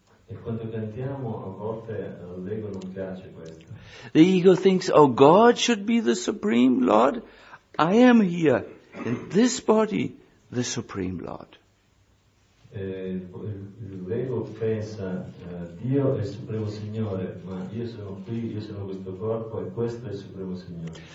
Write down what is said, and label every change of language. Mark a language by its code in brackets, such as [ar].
[it] E quando cantiamo, a volte l'ego non piace questo. [en] The ego thinks, oh, God should be the supreme Lord. I am here, in this body, the supreme Lord. [it] L'ego pensa, Dio è il supremo Signore, ma io sono qui, io sono questo corpo e questo è il supremo Signore.